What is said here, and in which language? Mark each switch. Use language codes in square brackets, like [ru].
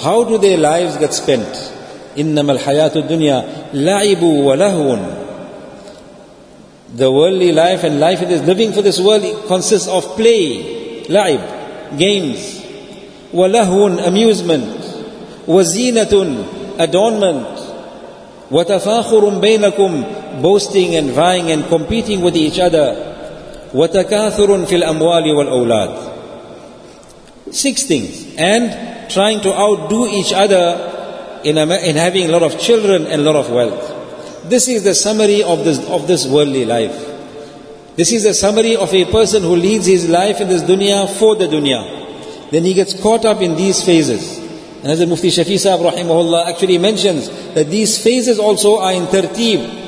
[en] How do their lives get spent? إِنَّمَا الْحَيَاةُ الدُّنْيَا لَعِبُوا وَلَهُونَ The worldly life and life it is living for this world consists of play, la'ib, games. [ar] وَلَهُونَ [en] amusement. [ar] وَزِينَةٌ [en] adornment. [ar] وَتَفَاخُرٌ بَيْنَكُمْ [en] boasting and vying and competing with each other. [ar] وَتَكَاثُرٌ فِي الْأَمْوَالِ وَالْأَوْلَادِ Six things. [en] And trying to outdo each other in having a lot of children and a lot of wealth. This is the summary of this worldly life. This is the summary of a person who leads his life in this dunya for the dunya. Then he gets caught up in these phases. And as the Mufti Shafi Sahib rahimahullah actually mentions that these phases also are in tartib.